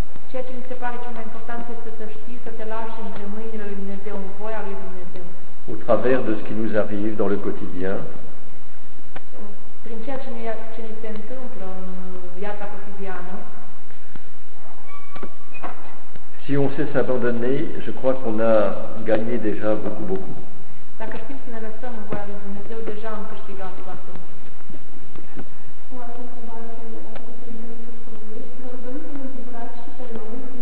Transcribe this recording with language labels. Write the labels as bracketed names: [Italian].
[Romanian] Ceea ce mi se pare cel mai important este să știi să te lași între mâinile lui Dumnezeu, în voia lui Dumnezeu. [French] Au travers de ce qui nous arrive dans le quotidien. [Romanian] Prin ceea ce ne se întâmplă în viața cotidiană. [French] Si on sait s'abandonner, je crois qu'on a gagné déjà beaucoup, beaucoup. [Romanian] Dacă știm să ne lăsăm în voia lui Dumnezeu, deja am câștigat foarte mult. Mă rog, întrebare pentru a fost în mâinile Sfântului. Vă rugăm să ne bucurați și pe noi,